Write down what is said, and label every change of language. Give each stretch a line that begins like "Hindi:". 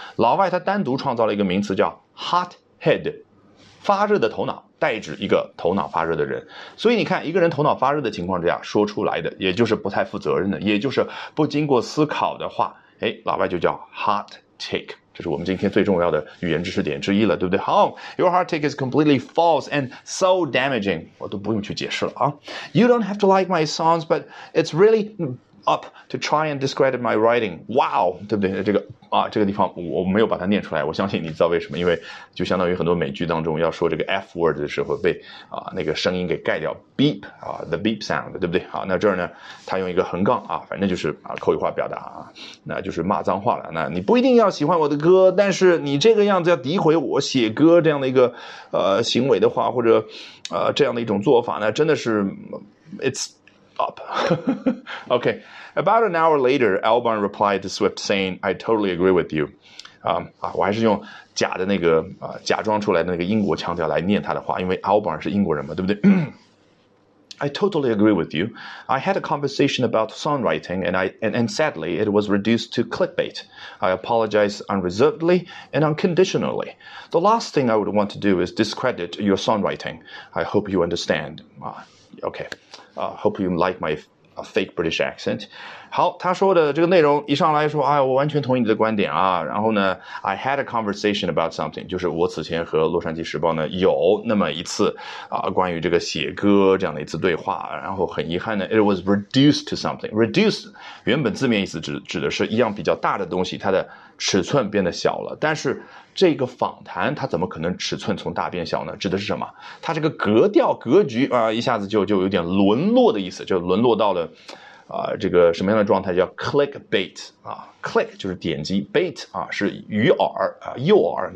Chinese: 老外他单独创造了一个名词叫 hot head， 发热的头脑。代指一个头脑发热的人，所以你看，一个人头脑发热的情况之下说出来的，也就是不太负责任的，也就是不经过思考的话，哎，老外就叫 hot take， 这是我们今天最重要的语言知识点之一了，对不对？
English: 好 ，Your hot take is completely false and so damaging，
Chinese: 我都不用去解释了啊。
English: You don't have to like my songs， but it's really up to try and discredit my writing。
Chinese: Wow， 对不对？这个。啊，这个地方我没有把它念出来，我相信你知道为什么，因为就相当于很多美剧当中要说这个 F word 的时候被啊那个声音给盖掉 ，beep 啊 ，
English: the beep sound，
Chinese: 对不对？好、啊，那这儿呢，他用一个横杠啊，反正就是啊口语化表达啊，那就是骂脏话了。那你不一定要喜欢我的歌，但是你这个样子要诋毁我写歌这样的一个行为的话，或者这样的一种做法呢，真的是 it's up， OK。
English: About an hour later, Albarn replied to Swift saying, I totally agree with you.
Chinese: 啊，我还是用假的那个啊，假装出来的那个英国腔调来念他的话，因为 Albarn 是英国人嘛，对不对？
English: I totally agree with you. I had a conversation about songwriting and sadly it was reduced to clickbait. I apologize unreservedly and unconditionally. The last thing I would want to do is discredit your songwriting. I hope you understand. Okay. Hope you like my fake British accent.
Chinese: 好，他说的这个内容一上来说，哎，我完全同意你的观点啊。然后呢 ，
English: I had a conversation about something，
Chinese: 就是我此前和《洛杉矶时报》呢有那么一次啊，关于这个写歌这样的一次对话。然后很遗憾呢 ，
English: it was reduced to something。
Chinese: reduce 原本字面意思指的是一样比较大的东西，它的尺寸变得小了。但是这个访谈它怎么可能尺寸从大变小呢？指的是什么？它这个格调格局啊，一下子就有点沦落的意思，就沦落到了。这个什么样的状态叫 clickbait 啊 ？click 就是点击 ，bait 啊是鱼饵啊，诱饵。